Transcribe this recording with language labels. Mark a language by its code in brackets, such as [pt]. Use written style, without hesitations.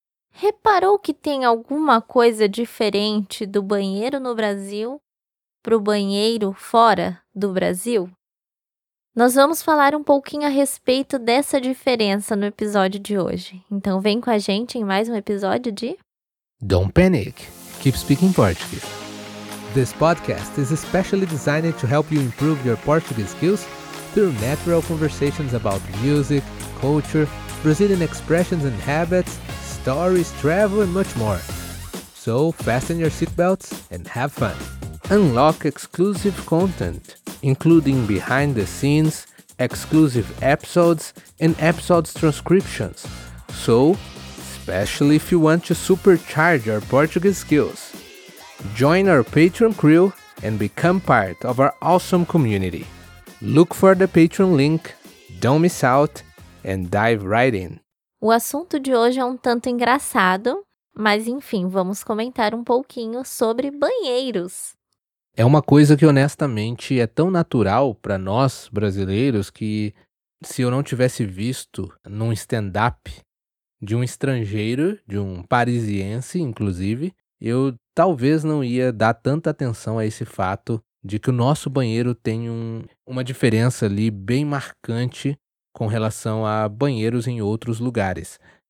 [pt] Reparou que tem alguma coisa diferente do banheiro no Brasil para o banheiro fora do Brasil? Nós vamos falar um pouquinho a respeito dessa diferença no episódio de hoje. Então, vem com a gente em mais um episódio de. [en] Don't panic. Keep speaking Portuguese. This podcast is especially designed to help you improve your Portuguese skills through natural conversations about music, culture, Brazilian expressions and habits, stories, travel, and much more. So, fasten your seatbelts and have fun. Unlock exclusive content, including behind the scenes, exclusive episodes, and episodes transcriptions. Especially if you want to supercharge your Portuguese skills. Join our Patreon crew and become part of our awesome community. Look for the Patreon link, don't miss out, and dive right in. [pt] O assunto de hoje é um tanto engraçado, mas enfim, vamos comentar um pouquinho sobre banheiros. É uma coisa que honestamente é tão natural para nós brasileiros que se eu não tivesse visto num stand-up de um estrangeiro, de um parisiense, inclusive, eu talvez não ia dar tanta atenção a esse fato de que o nosso banheiro tem uma diferença ali bem marcante com relação a banheiros em outros lugares.